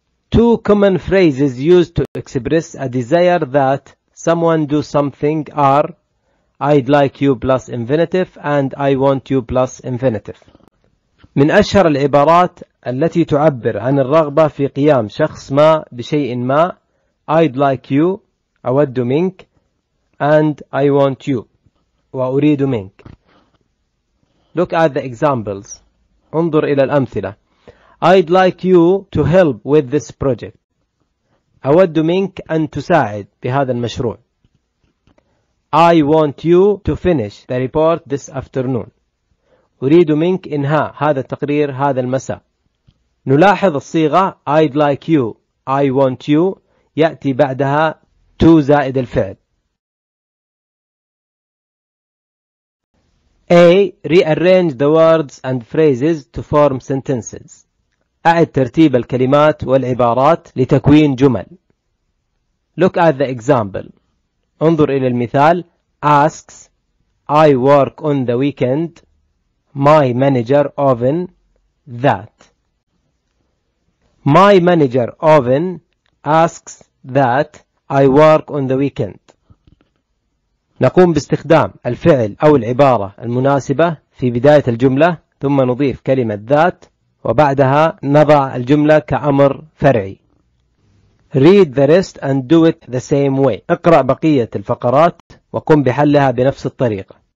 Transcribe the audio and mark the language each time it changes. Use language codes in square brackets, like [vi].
[en] Two common phrases used to express a desire that someone do something are I'd like you plus infinitive and I want you plus infinitive. [ar] من أشهر العبارات التي تعبر عن الرغبة في قيام شخص ما بشيء ما [en] I'd like you [ar] أود منك [en] and I want you [ar] وأريد منك. [en] Look at the examples. [ar] انظر إلى الأمثلة. [en] I'd like you to help with this project. [ar] أود منك أن تساعد بهذا المشروع. [en] I want you to finish the report this afternoon. [ar] أريد منك إنهاء هذا التقرير هذا المساء. نلاحظ الصيغة [en] I'd like you, I want you [ar] يأتي بعدها to زائد الفعل. [en] A. Rearrange the words and phrases to form sentences. [ar] أعد ترتيب الكلمات والعبارات لتكوين جمل. [en] Look at the example. [ar] انظر إلى المثال. [en] Asks, I work on the weekend. My manager often that. My manager often asks that I work on the weekend. [ar] نقوم باستخدام الفعل أو العبارة المناسبة في بداية الجملة ثم نضيف كلمة ذات وبعدها نضع الجملة كأمر فرعي. [en] Read the rest and do it the same way. [ar] اقرأ بقية الفقرات وقم بحلها بنفس الطريقة.